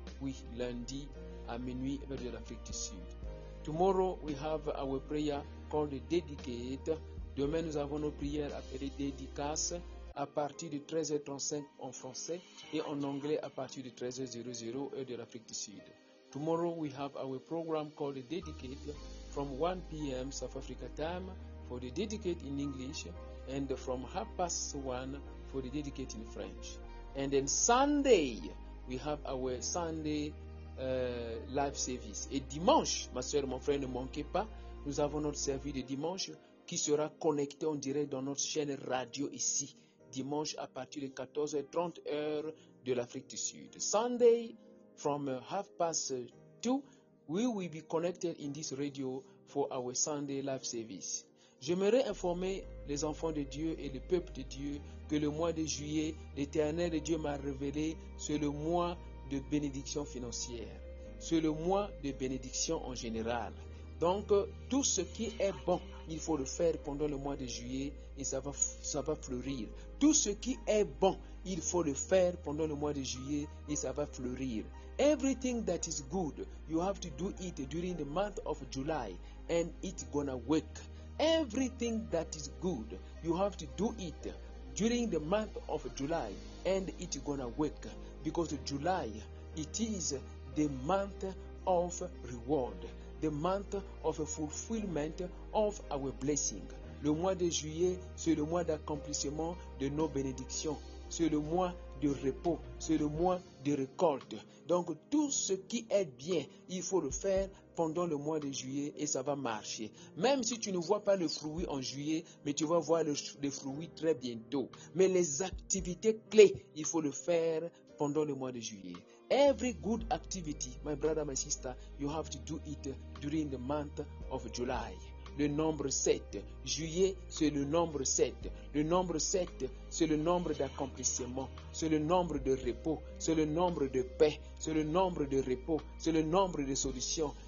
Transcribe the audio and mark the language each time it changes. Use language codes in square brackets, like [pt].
[fr] Oui, lundi à minuit vers de l'Afrique du Sud. [en] Tomorrow we have our prayer called Dedicate. [fr] Demain nous avons nos prières appelées Dédicaces à partir de 13h35 en français et en anglais à partir de 13h00 heure de l'Afrique du Sud. [en] Tomorrow we have our program called Dedicate from 1 p.m. South Africa time for the Dedicate in English and from 1:30 for the Dedicate in French. And then Sunday we have our Sunday live service. [fr] Et dimanche, ma soeur, mon frère, ne manquez pas, nous avons notre service de dimanche qui sera connecté en direct dans notre chaîne radio ici, dimanche à partir de 14h30 heures de l'Afrique du Sud. [en] Sunday from 2:30, we will be connected in this radio for our Sunday live service. [fr] J'aimerais informer les enfants de Dieu et le peuple de Dieu que le mois de juillet, l'Éternel de Dieu m'a révélé, c'est le mois de bénédiction financière. C'est le mois de bénédiction en général. Donc, tout ce qui est bon, il faut le faire pendant le mois de juillet et ça va fleurir. Tout ce qui est bon, il faut le faire pendant le mois de juillet et ça va fleurir. [en] Everything that is good, you have to do it during the month of July and it's gonna work. Everything that is good, you have to do it during the month of July and it's gonna work. Because July, it is the month of reward. The month of fulfillment of our blessing. [fr] Le mois de juillet, c'est le mois d'accomplissement de nos bénédictions. C'est le mois de repos. C'est le mois de récolte. Donc, tout ce qui est bien, il faut le faire pendant le mois de juillet et ça va marcher. Même si tu ne vois pas le fruit en juillet, mais tu vas voir le fruit très bientôt. Mais les activités clés, il faut le faire pendant le mois de juillet. [en] Every good activity, my brother, my sister, you have to do it during the month of July. [fr] Le nombre 7. Juillet, c'est le nombre 7. Le nombre 7, c'est le nombre d'accomplissement. C'est le nombre de repos. C'est le nombre de paix. C'est le nombre de repos. C'est le nombre de solutions.